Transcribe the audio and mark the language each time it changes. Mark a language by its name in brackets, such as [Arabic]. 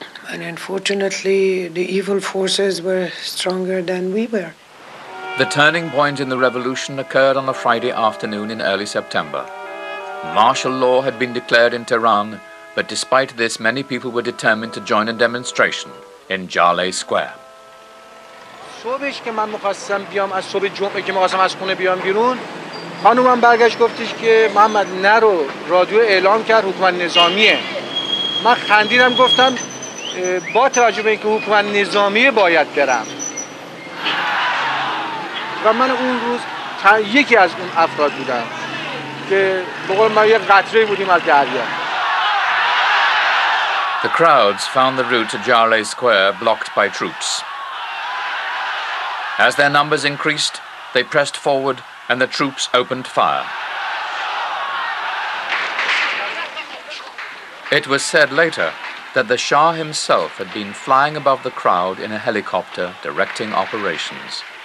[English] And unfortunately, the evil forces were stronger than we were. The turning point in the revolution occurred on a Friday afternoon in early September. Martial law had been declared in Tehran, but despite this, many people were determined to join a demonstration in Jale Square. [Persian] صبحش که من می‌خواستم بیام از صبح جمعه که می‌خواستم از خونه بیام بیرون خانومم برگشت گفتش که محمد نرو رادیو اعلام کرد حکومت نظامیه من خندیدم گفتم با توجه به اینکه حکومت نظامیه باید برم و من اون روز یکی از اون افراد بودم که به قول من یک قطره بودیم از دریا [English] The crowds found the route to Jale Square blocked by troops. As their numbers increased, they pressed forward and the troops opened fire. It was said later that the Shah himself had been flying above the crowd in a helicopter directing operations.